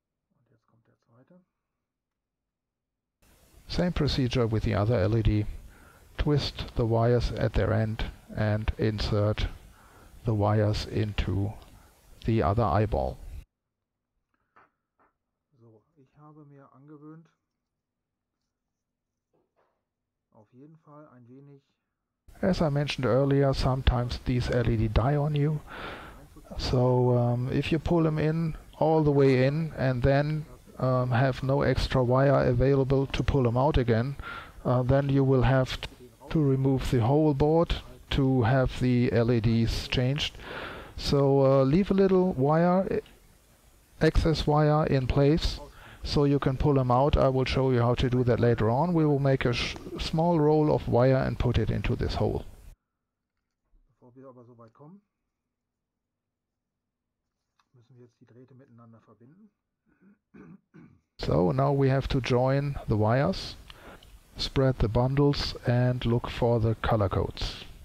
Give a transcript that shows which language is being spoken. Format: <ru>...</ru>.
<de>Und jetzt kommt der zweite.</de> <en>Same procedure with the other LED. Twist the wires at their end and insert the wires into the other eyeball.</en> <de>So, ich habe mir angewöhnt, auf jeden Fall ein wenig.</de> <en>As I mentioned earlier, sometimes these LED die on you. So, if you pull them in all the way in and then have no extra wire available to pull them out again, then you will have to remove the whole board to have the LEDs changed. So leave a little wire, excess wire in place, so you can pull them out. I will show you how to do that later on. We will make a small roll of wire and put it into this hole.</en> <de>Bevor wir aber so weit kommen, müssen wir jetzt die Drähte miteinander verbinden.</de> <en>So now we have to join the wires, spread the bundles and look for the color codes.</en>